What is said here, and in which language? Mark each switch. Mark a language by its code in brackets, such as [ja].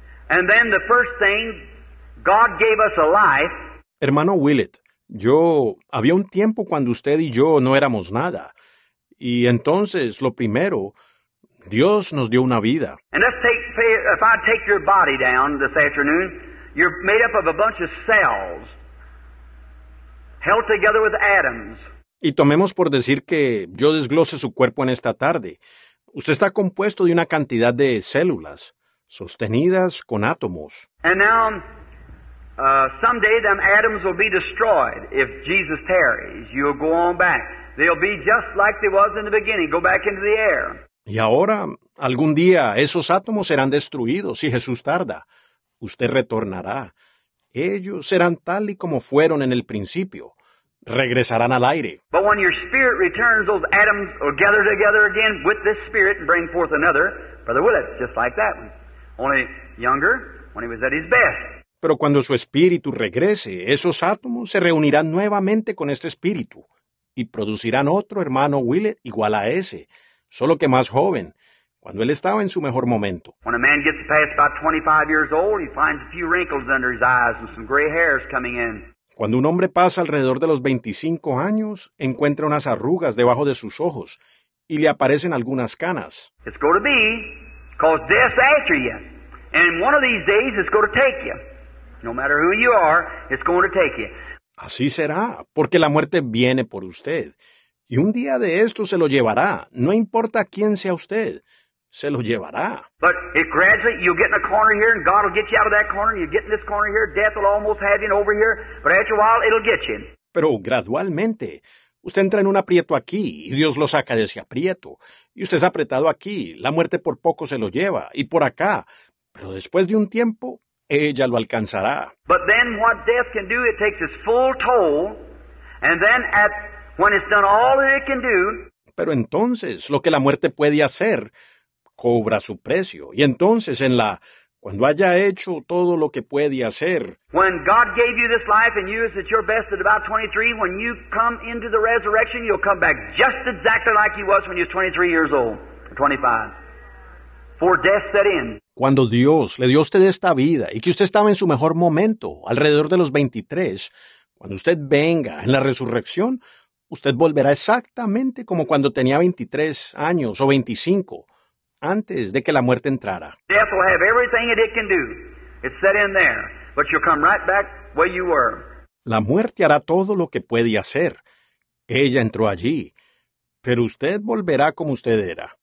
[en] And then the first thing, God gave us a life. [es] Hermano Willett, yo había un tiempo cuando usted y yo no éramos nada. Y entonces, lo primero, Dios nos dio una vida. [en] And let's take, if I take your body down this afternoon, you're made up of a bunch of cells held together with atoms. [es] Y tomemos por decir que yo desglose su cuerpo en esta tarde. Usted está compuesto de una cantidad de células sostenidas con átomos. [en] And now, someday them atoms will be destroyed if Jesus tarries. You'll go on back. They'll be just like they was in the beginning, go back into the air. [es] Y ahora, algún día, esos átomos serán destruidos si Jesús tarda. Usted retornará. Ellos serán tal y como fueron en el principio. Regresarán al aire. [en] But when your spirit returns, those atoms will gather together again with this spirit and bring forth another, Brother Willett, just like that one. Only younger, when he was at his best. [es] Pero cuando su espíritu regrese, esos átomos se reunirán nuevamente con este espíritu. Y producirán otro hermano Willett igual a ese, solo que más joven, cuando él estaba en su mejor momento. [en] When a man gets past about 25 years old, he finds a few wrinkles under his eyes and some gray hairs coming in. [es] Cuando un hombre pasa alrededor de los 25 años, encuentra unas arrugas debajo de sus ojos y le aparecen algunas canas. [en] It's going to be because death's after you, and one of these days it's going to take you. No matter who you are, it's going to take you. [es] Así será, porque la muerte viene por usted. Y un día de esto se lo llevará. No importa quién sea usted, se lo llevará. [en] But it gradually, you'll get in a corner here, and God will get you out of that corner, and you'll get in this corner here, death will almost have you over here, but after a while, it'll get you. [es] Pero gradualmente, usted entra en un aprieto aquí, y Dios lo saca de ese aprieto. Y usted es apretado aquí, la muerte por poco se lo lleva, y por acá. Pero después de un tiempo, ella lo alcanzará. [en] But then what death can do, it takes its full toll, and then at when it's done all that it can do. [es] Pero entonces, lo que la muerte puede hacer, cobra su precio. Y entonces, en la cuando haya hecho todo lo que puede hacer. [en] When God gave you this life and you is at your best at about 23, when you come into the resurrection, you'll come back just exactly like you was when you were 23 years old, or 25. For death set in. [es] Cuando Dios le dio a usted esta vida y que usted estaba en su mejor momento, alrededor de los 23, cuando usted venga en la resurrección, usted volverá exactamente como cuando tenía 23 años o 25, antes de que la muerte entrara. [en] Death will have everything it can do. It's set in there, but you'll come right back where you were. [es] La muerte hará todo lo que puede hacer. Ella entró allí, pero usted volverá como usted era.